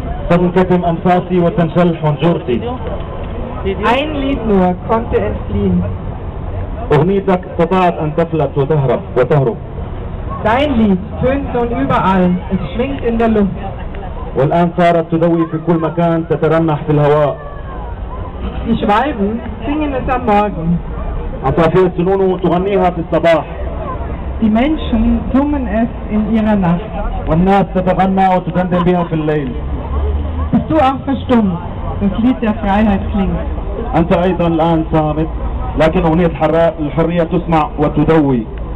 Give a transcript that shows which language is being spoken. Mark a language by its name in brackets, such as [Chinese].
[Arabic] تنكتم أنفاسي وتنشل حنجرتي. [German] Ein Lied nur konnte entfliehen. [Arabic] أغنيتك استطاعت أن تفلت وتهرب وتهرب. [German] Dein Lied tönt nun überall, es schwingt in der Luft. [Arabic] والآن صارت تدوي في كل مكان تترنح في الهواء. [German] Die Schwalben singen es am Morgen. [Arabic] عصافير السنون تغنيها في الصباح. [German] Die Menschen summen es in ihrer Nacht. [Arabic] والناس تتغنى وتغنى بها في الليل. [German] Bist du auch verstummt? Das Lied der Freiheit klingt. [Arabic] أنت أيضا الآن صامت، لكن أغنية الحرية تسمع وتدوي.